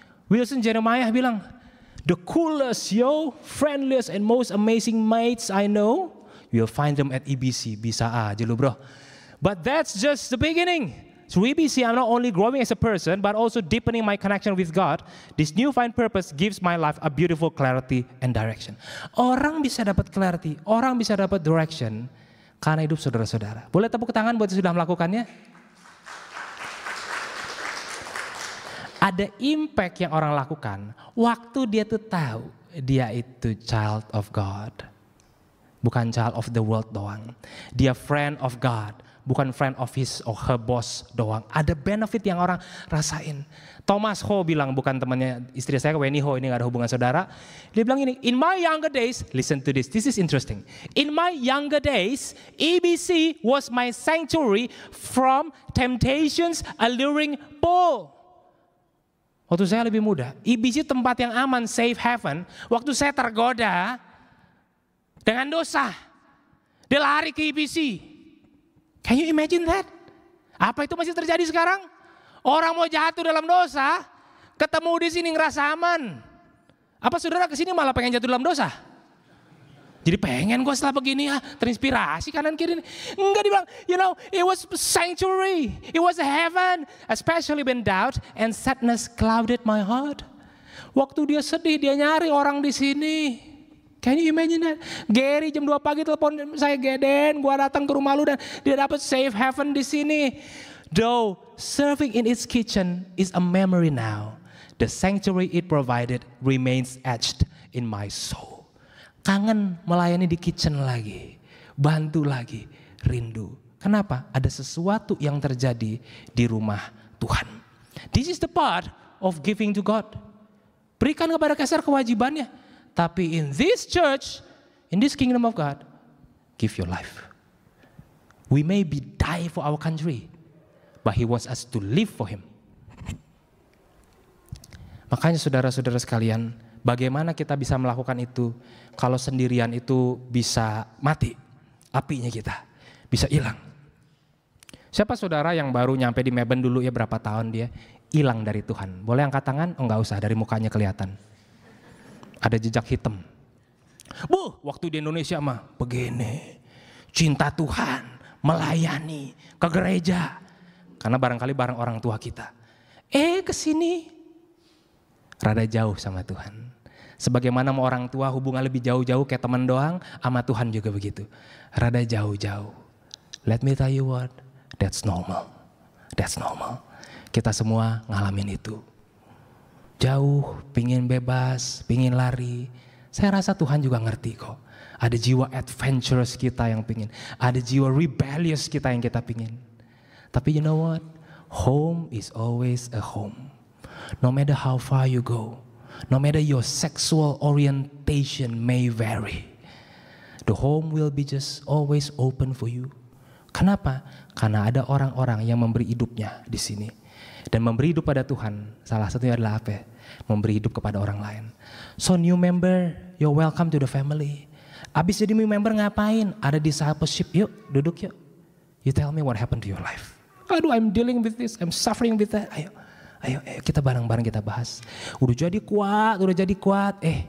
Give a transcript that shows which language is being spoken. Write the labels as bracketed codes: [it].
[en] Wilson Jeremiah bilang, the coolest, yo, friendliest, and most amazing mates I know, you'll find them at EBC, [id] bisa aja lu bro. [en] But that's just the beginning. So EBC, I'm not only growing as a person, but also deepening my connection with God. This newfound purpose gives my life a beautiful clarity and direction. [id] Orang bisa dapat clarity, orang bisa dapat direction, karena hidup saudara-saudara. Boleh tepuk tangan buat yang sudah melakukannya? Ada impact yang orang lakukan waktu dia tuh tahu dia itu child of God. Bukan child of the world doang. Dia friend of God. Bukan friend of his or her boss doang. Ada benefit yang orang rasain. Thomas Ho bilang, bukan temannya istri saya, Wenny Ho, ini gak ada hubungan saudara. [en] Dia bilang ini, in my younger days, listen to this, this is interesting. In my younger days, EBC was my sanctuary from temptations alluring bull. [id] Waktu saya lebih muda, EBC tempat yang aman, safe haven. Waktu saya tergoda dengan dosa, dia lari ke EBC. [en] Can you imagine that? [id] Apa itu masih terjadi sekarang? Orang mau jatuh dalam dosa, ketemu di sini ngerasa aman. Apa saudara kesini malah pengen jatuh dalam dosa? Jadi pengen gue setelah begini ya, terinspirasi kanan kiri. Enggak, dibilang, [en] you know, it was sanctuary, it was heaven, especially when doubt and sadness clouded my heart. [id] Waktu dia sedih, dia nyari orang di sini. [en] Can you imagine that? [id] Gary jam 2 pagi telepon saya, Geden, gue datang ke rumah lu dan dia dapat safe heaven di sini. [en] Though serving in its kitchen is a memory now, the sanctuary it provided remains etched in my soul. [id] Kangen melayani di kitchen lagi, bantu lagi, rindu. Kenapa? Ada sesuatu yang terjadi di rumah Tuhan. [en] This is the part of giving to God. [id] Berikan kepada Kaisar kewajibannya. Tapi [en] in this church, in this kingdom of God, give your life. We may be die for our country, but he wants us to live for him. [id] Makanya saudara-saudara sekalian, bagaimana kita bisa melakukan itu kalau sendirian itu bisa mati, apinya kita bisa hilang. Siapa saudara yang baru nyampe di Melbourne dulu ya, berapa tahun dia hilang dari Tuhan? Boleh angkat tangan? Oh, enggak usah, dari mukanya kelihatan. Ada jejak hitam. Bu, waktu di Indonesia mah begini. Cinta Tuhan, melayani, ke gereja. Karena barangkali bareng orang tua kita. Kesini. Rada jauh sama Tuhan. Sebagaimana mau orang tua hubungan lebih jauh-jauh kayak teman doang, sama Tuhan juga begitu. Rada jauh-jauh. [en] Let me tell you what, that's normal. That's normal. [id] Kita semua ngalamin itu. Jauh, pingin bebas, pingin lari. Saya rasa Tuhan juga ngerti kok. Ada jiwa adventurous kita yang pingin. Ada jiwa rebellious kita yang kita pingin. Tapi [en] you know what? Home is always a home. No matter how far you go, no matter your sexual orientation may vary, the home will be just always open for you. [id] Kenapa? Karena ada orang-orang yang memberi hidupnya di sini. Dan memberi hidup pada Tuhan, salah satunya adalah apa? Memberi hidup kepada orang lain. [en] So new member, you're welcome to the family. [id] Abis jadi new member ngapain? Ada discipleship, yuk duduk yuk. [en] You tell me what happened to your life. Aduh, I'm dealing with this, I'm suffering with that. [id] Ayo, kita bareng-bareng kita bahas. Udah jadi kuat.